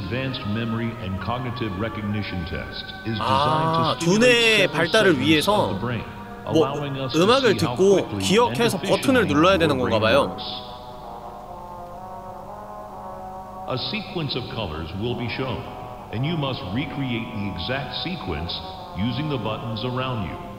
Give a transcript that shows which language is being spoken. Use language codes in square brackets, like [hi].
[en] This advanced memory and cognitive recognition test is designed 아, to [ko] 두뇌 발달을 위해서 뭐 음악을 듣고 기억해서 버튼을 눌러야 되는 건가 봐요. [en] A sequence of colors will be shown and you must recreate the exact sequence using the buttons around you.